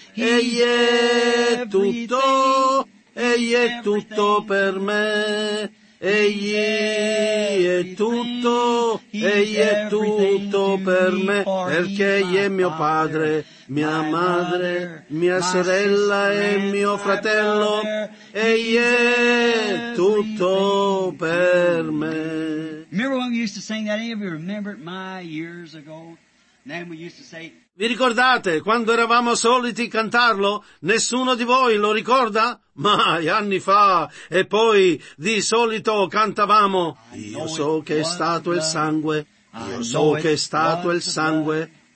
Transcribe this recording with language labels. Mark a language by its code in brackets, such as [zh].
[it] Egli è tutto... Egli è tutto per me, egli è tutto, egli è tutto per me, perché egli è mio padre, mia madre, mia sorella e mio fratello, egli è tutto per me. [en] Remember when we used to sing that? Any of you remember it? My years ago? Then we used to say. [it] Vi ricordate quando eravamo soliti cantarlo? Nessuno di voi lo ricorda? Mai, anni fa. E poi di solito cantavamo. Io so che è stato il sangue. Io so che è stato il sangue.